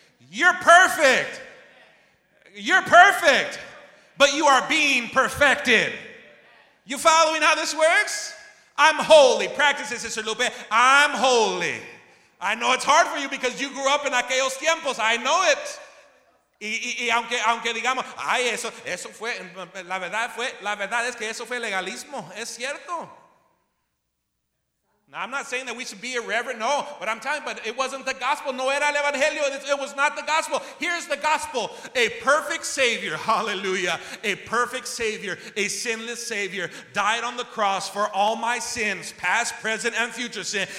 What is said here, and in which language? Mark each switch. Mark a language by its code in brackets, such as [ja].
[en] You're perfect. You're perfect. But you are being perfected. You following how this works? I'm holy. Practice this, Sister Lupe. I'm holy. I know it's hard for you because you grew up in [es] aquellos tiempos. [en] I know it. [es] Y aunque digamos, ay, eso fue, la verdad es que eso fue legalismo. Es cierto. [en] Now, I'm not saying that we should be irreverent. No, but I'm telling you, but it wasn't the gospel. [es] No era el evangelio. [en] It was not the gospel. Here's the gospel. A perfect Savior. Hallelujah. A perfect Savior. A sinless Savior died on the cross for all my sins, past, present, and future sin.